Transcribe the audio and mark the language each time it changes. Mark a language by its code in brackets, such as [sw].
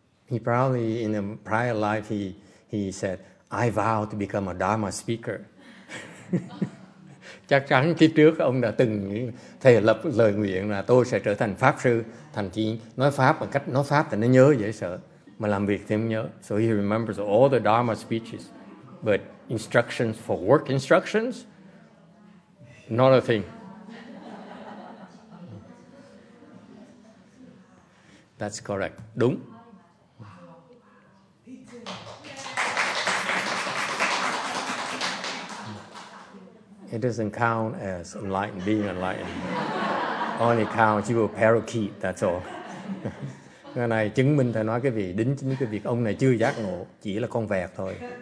[en] He probably in a prior life he said, I vow to become a Dharma speaker. [vi] Chắc chắn khi trước ông đã từng thề lập lời nguyện là tôi sẽ trở thành pháp sư, thành chí nói pháp bằng cách nói pháp thì nó nhớ dễ sợ, mà làm việc thì không nhớ. [en] So he remembers all the Dharma speeches, but instructions for work instructions, not a thing. That's correct. [vi] Đúng. [en] It doesn't count as enlightened, being enlightened. Only counts you were parakeet, that's all. [vi] Cái này chứng minh thầy nói cái vị đính chính cái việc ông này chưa giác ngộ, chỉ là con vẹt thôi.